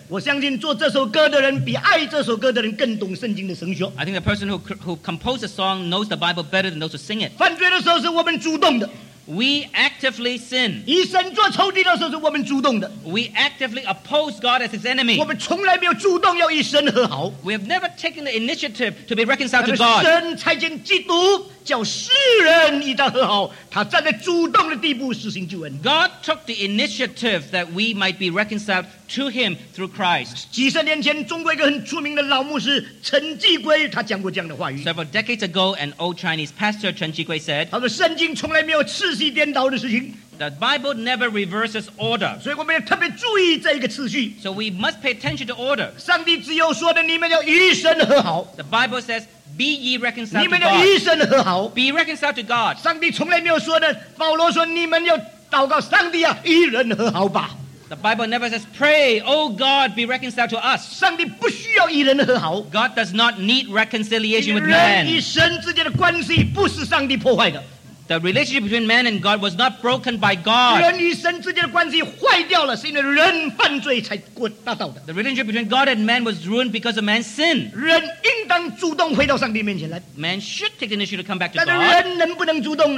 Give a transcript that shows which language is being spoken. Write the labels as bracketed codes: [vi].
[zh] 我相信做这首歌的人比爱这首歌的人更懂圣经的神学。I [en] think the person who composed the song knows the Bible better than those who sing it. [zh] 犯罪的时候是我们主动的。 [en] We actively sin. [zh] 以神做仇敌的时候是我们主动的。 [en] We actively oppose God as his enemy. [zh] 我们从来没有主动要与神和好。 [en] We have never taken the initiative to be reconciled to God. [zh] 神差遣基督 叫世人一道和好，他站在主动的地步实行救恩。 [en] God took the initiative that we might be reconciled to him through Christ. [zh] 几十年前，中国一个很出名的老牧师陈继圭，他讲过这样的话语。 [en] Several decades ago, an old Chinese pastor Chen Jigui said, [zh] 他说圣经从来没有次序颠倒的事情。 [en] The Bible never reverses order. So we must pay attention to order. [zh] 上帝只有说的你们要与神和好。 [en] The Bible says, Be ye reconciled to God. [zh] 你们要与神和好。 [en] Be reconciled to God. [zh] 上帝从来没有说的, 保罗说, 你们要祷告, 上帝啊, 与人和好吧。 [en] The Bible never says, Pray, O God, be reconciled to us. [zh] 上帝不需要与人和好。 [en] God does not need reconciliation with man. [zh] 与神之间的关系不是上帝破坏的。 [en] The relationship between man and God was not broken by God. The relationship between God and man was ruined because of man's sin. Man should take the initiative to come back to God.